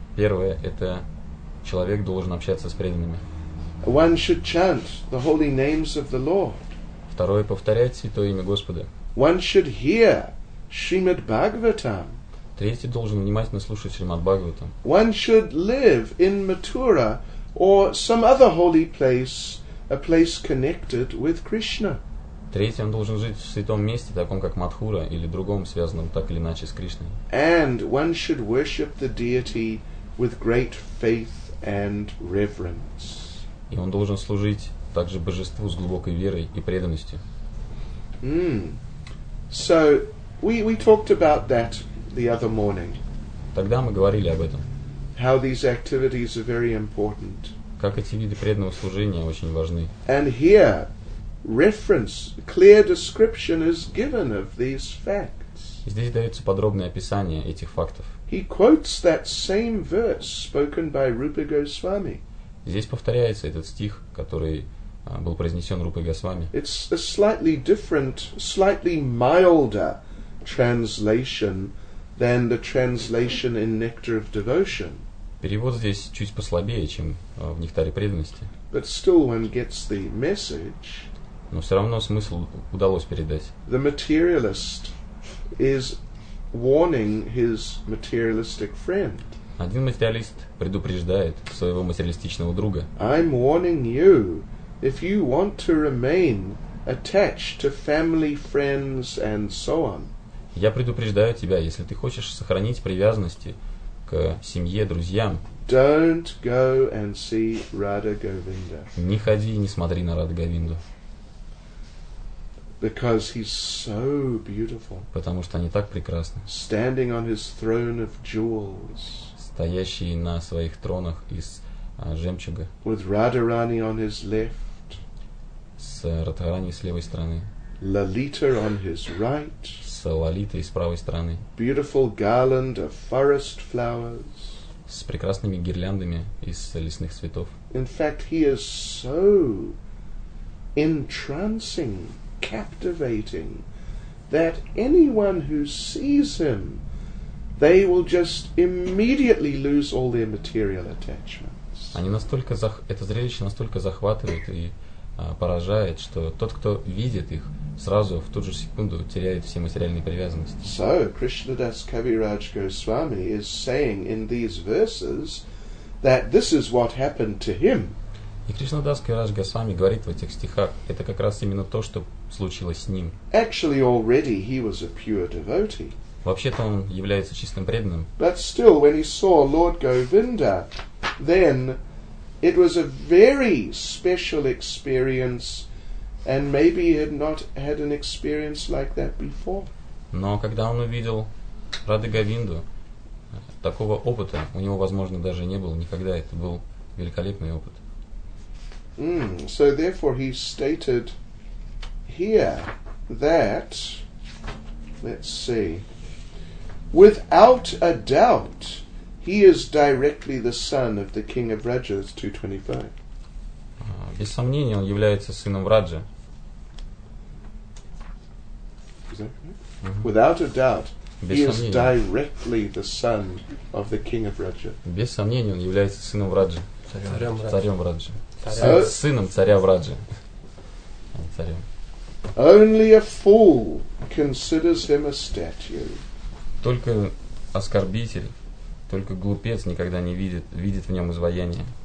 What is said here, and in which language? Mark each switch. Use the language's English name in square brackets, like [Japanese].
[Russian] Первое, это человек должен общаться с преданными. [English] One should chant the holy names of the Lord. [Russian] Второе, повторять святое имя Господа. [English] One should hear Shrimad Bhagavatam. [Russian] Третий должен внимательно слушать Шримад Бхагаватам. [English] One should live in Mathura or some other holy place, a place connected with Krishna. [Russian] Третий, он должен жить в святом месте, таком как Матхура, или другом, связанном так или иначе с Кришной. [English] And one should worship the deity with great faith and reverence. [Russian] И он должен служить также божеству с глубокой верой и преданностью. Mm. [English] So we talked about that the other morning. [Russian] Тогда мы говорили об этом. [English] How these activities are very important. [Russian] Как эти виды преданного служения очень важны. [English] And here reference, clear description is given of these facts. [Russian] Здесь дается подробное описание этих фактов. [English] He quotes that same verse spoken by Rupa Goswami. [Russian] Здесь повторяется этот стих, который был произнесен Рупой Госвами. [English] It's a slightly different, slightly milder translation than the translation in Nectar of Devotion. [Russian] Перевод здесь чуть послабее, чем в Нектаре преданности. [English] But still one gets the message. [Russian] Но все равно смысл удалось передать. [English] The materialist is warning his materialistic friend. [Russian] Один материалист предупреждает своего материалистичного друга. [English] I'm warning you, if you want to remain attached to family, friends, and so on. [Russian] Я предупреждаю тебя, если ты хочешь сохранить привязанности к семье, друзьям. [English] Don't go and see Radha Govinda. [Russian] Не ходи и не смотри на Радху Говинду. [English] Because he's so beautiful. [Russian] Потому что они так прекрасны. [English] Standing on his throne of jewels. [Russian] Стоящий на своих тронах из жемчуга. [English] With Radharani on his left. [Russian] С Радхарани с левой стороны. [English] Lalita on his right. [Russian] С Лалитой с правой стороны. [English] Beautiful garland of forest flowers. [Russian] С прекрасными гирляндами из лесных цветов. [English] In fact, he is so entrancing, captivating, that anyone who sees him, they will just immediately lose all their material attachments. [Russian] Они настолько это зрелище настолько захватывает и поражает, что тот, кто видит их, сразу в ту же секунду теряет все материальные привязанности. [English] So Krishnadas Kaviraj Goswami is saying in these verses that this is what happened to him. [Russian] И Кришнадас Кавираж Госвами говорит в этих стихах, это как раз именно то, что случилось с ним. [English] Actually, already he was a pure devotee. [Russian] Вообще-то он является чистым преданным. [English] But still, when he saw Lord Govinda, then it was a very special experience, and maybe he had not had an experience like that before. [Russian] Но когда он увидел Радху Говинду, такого опыта у него, возможно, даже не было никогда. Это был великолепный опыт. Mm. [English] So therefore he stated here that, let's see, without a doubt he is directly the son of the king of Raja. 225. [Russian] Без сомнения, он является сыном Раджа. [English] Is that correct? Mm-hmm. Without a doubt, [Russian] без [English] he is directly the son of the king of Raja. [Russian] Без сомнения, он является сыном Раджа. Царем Раджа. Сыном царя Враджи. Царем. [English] Only a fool considers him a statue. [Russian] Только оскорбитель, только глупец никогда не видит в нем изваяние.